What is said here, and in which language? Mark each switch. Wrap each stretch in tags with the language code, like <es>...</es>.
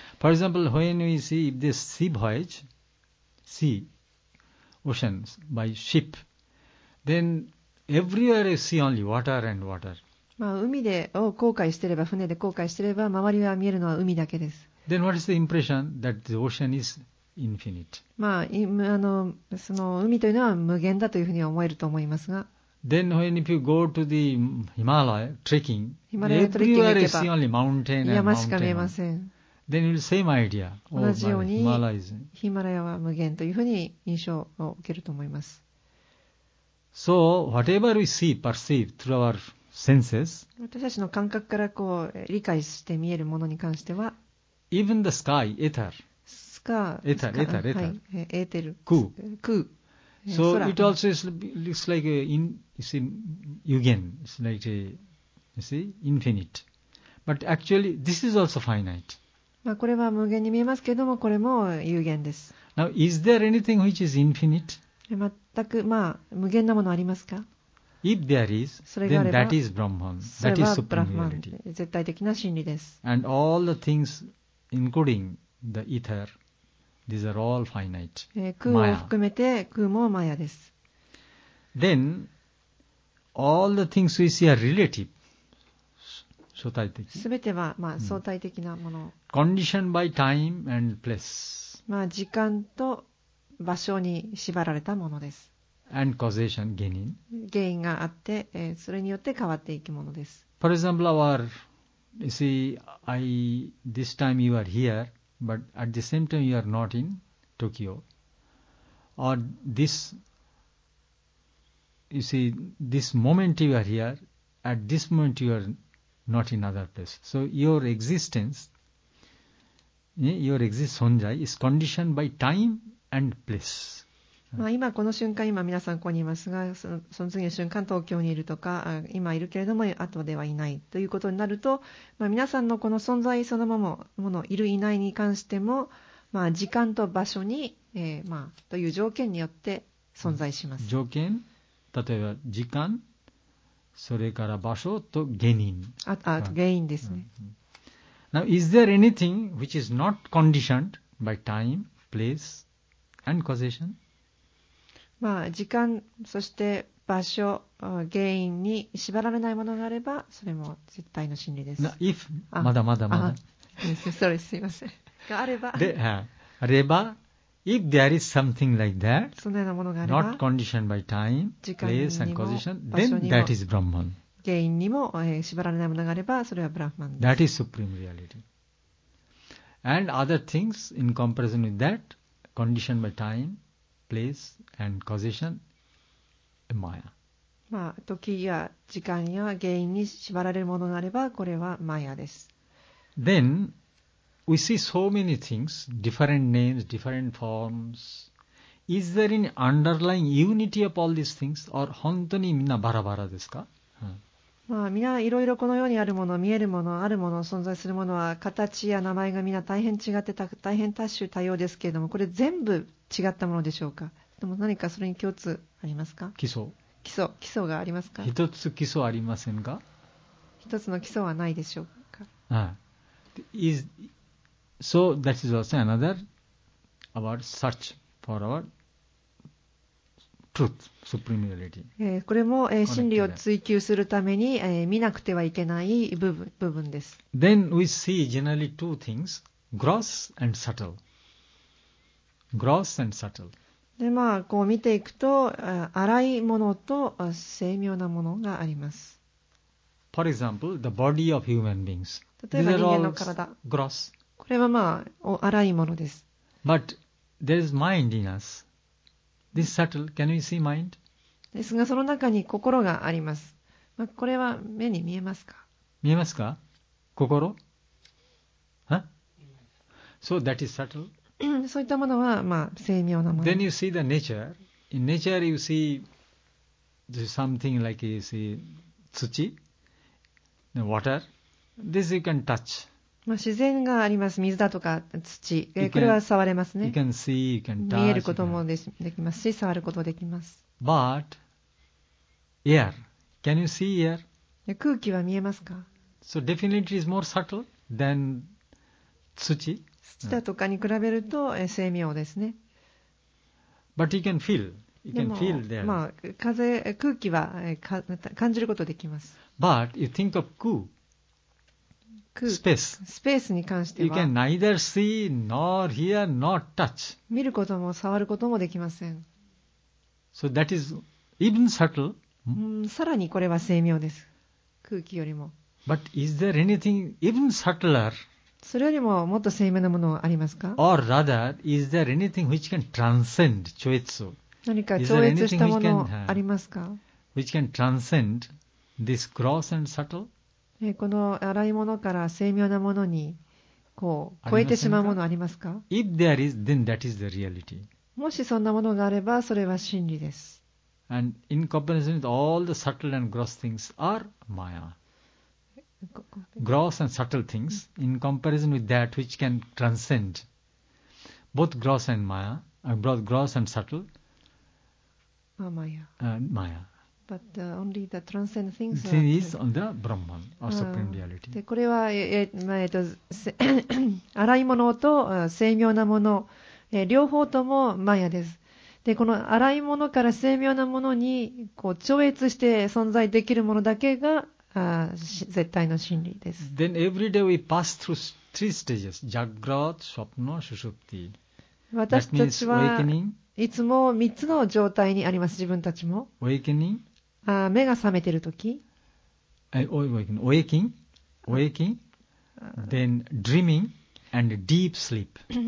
<en>For example, when we see if this sea voyage, sea,oceans by ship, then everywhere you see only water and water.</en> <ja>まあ海でを航海してれば、船で航海してれば、周りは見えるのは海だけです。</ja> <en>Then what is the impression that the ocean is infinite?</en> <ja>まあ、その海というのは無限だというふうには思えると思いますが。</ja> <en>Then when you go to the Himalaya trekking, everywhere you see only mountain and mountain.</en> <ja>山しか見えません。</ja> <en>Then the same idea.</en> <ja>同じようにヒマラヤは無限というふうに印象を受けると思います。</ja> <en>So whatever we see, perceive through our senses,</en> <ja>私たちの感覚からこう理解して見えるものに関しては、</ja> <en>even the sky, ether, ether,</en> <ja>空、空、</ja> <en>so it also looks like yugen, it's like infinite, but actually this is also finite.</en> <ja>まあ、これは無限に見えますけれども、これも有限です。</ja> <en>Now, is there anything which is infinite?</en> <ja>全く、まあ、無限なものありますか?</ja> <en>If there is, then that is Brahman. That is superiority.</en> <ja>絶対的な真理です。</ja> <en>And all the things, including the ether, these are all finite.</en> <ja>空を含めて、空もマヤです。</ja> <en>Then, all the things we see are relative.</en> <ja>相対的。すべてはまあ相対的なもの。</ja> <en>Conditioned by time and place。</en> <ja>まあ時間と場所に縛られたものです。</ja> <en>And causation 原因。</en> <ja>原因があって、それによって変わっていくものです。</ja> <en>For example, our, you see, I this time you are here, but at the same time you are not in Tokyo. Or this, you see, this moment you are here, at this moment you are. Not in other place. So your existence, your exist 存在 is conditioned by time and place.</en> <ja>まあ今この瞬間、今皆さんここにいますが、その次の瞬間東京にいるとか、今いるけれども後ではいないということになると、まあ皆さんのこの存在そのまま、ものいるいないに関しても、まあ時間と場所に、まあという条件によって存在します。条件、例えば時間。それから場所と原因。原因ですね。</ja> <en>Now, is there anything which is not conditioned by time, place, and causation?</en> <ja>まあ、時間、そして場所、原因に縛られないものがあれば、それも絶対の真理です。</ja> <en>Now, if,</en> <ja>まだ。</ja> <en>Sorry,</en> <ja>すいません。があれば。あれば、</ja> <en>If there is something like that,</en> <ja>そのようなものがあれば</ja> <en>not conditioned by time, place and causation, then that is Brahman.</en> <ja>原因にも、縛られないものがあれば、それはブラフマンです。</ja> <en>That is supreme reality. And other things in comparison with that, conditioned by time, place and causation, Maya.</en> <ja>まあ、時や時間や原因に縛られるものがあれば、これはマヤです。</ja> <en>Then,We see so many things, different names, different forms. Is there any underlying unity of all these things, or</en> <ja>本当にみんなバラバラですか？まあ、みんないろいろこのようにあるもの、見えるもの、あるもの、存在するものは形や名前がみんな大変違って大変多種多様ですけれども、これ全部違ったものでしょうか？でも何かそれに共通ありますか？基礎がありますか？一つ基礎ありませんか？一つの基礎はないでしょうか？</ja> <en>So that is also another our search for our truth, supreme reality.</en> <ja>これも真理を追求するために見なくてはいけない部分です。</ja> <en>Then we see generally two things, gross and subtle. Gross and subtle.</en> <ja>で、まあこう見ていくと、荒いものと精妙なものがあります。</ja> <en>For example, the body of human beings.</en> <ja>例えば人間の体。</ja> <en>Gross.</en> <ja>これはまあ、荒いものです。</ja> <en>But there is mind in us. This subtle, can we see mind?</en> <ja>ですが、その中に心があります。まあ、これは目に見えますか？見えますか？心？</ja> <en>So that is subtle.</en> <ja>そういったものは、まあ、精妙なもの。</ja> <en>Then you see the nature. In nature you see something like you see 土、the water. This you can touch.</en> <ja>まあ、自然があります。水だとか土。これは触れますね。</ja> <en>You can see, you can touch,</en> <ja>見えることもできますし、触ることもできます。</ja> <en>But, air. Can you see air?</en> <ja>空気は見えますか？</ja> <en>So definitely is more subtle than 土。</en> <ja>土だとかに比べると、精妙ですね。</ja> <en>But you can feel. You can feel there.</en> <ja>まあ、風、空気は感じることができます。</ja> <en>But you think of 空。</en> <ja>スペースに関しては、</ja> <en>you can neither see nor hear nor touch.</en> <ja>見ることも触ることもできません。 So that is even subtle. さらにこれは精妙です。空気よりも。</ja> <en>But is there anything even subtler?</en> <ja>それよりももっと精妙なものありますか？</ja> <en>Or rather, is there anything which can transcend 超越？</en> <ja>何か超越したものありますか？</ja> <en>Which can transcend this gross and subtle?</en> <ja>この粗いものから精妙なものにこう超えてしまうものありますか？</ja> <en>If there is, then that is the reality.</en> <ja>もしそんなものがあればそれは真理です。</ja> <en>And in comparison with all the subtle and gross things are maya. Gross and subtle things in comparison with that which can transcend both gross and maya, both gross and subtle maya. And maya But only the transcendent things are... This is on the Brahman, or Supreme Reality.</en> <ja>で、これは、粗いものと精妙なもの、両方ともマヤです。で、この粗いものから精妙なものにこう超越して存在できるものだけが絶対の真理です。</ja> <en>Then every day we pass through three stages.</en> <sa>Jagrat, Swapna, Sushupti.</sa> <ja>私たちはいつも3つの状態にあります、自分たちも。</ja> <en>Awakening.</en> <ja>目が覚めているとき、</ja> <en>awaking, then dreaming and deep sleep.</en>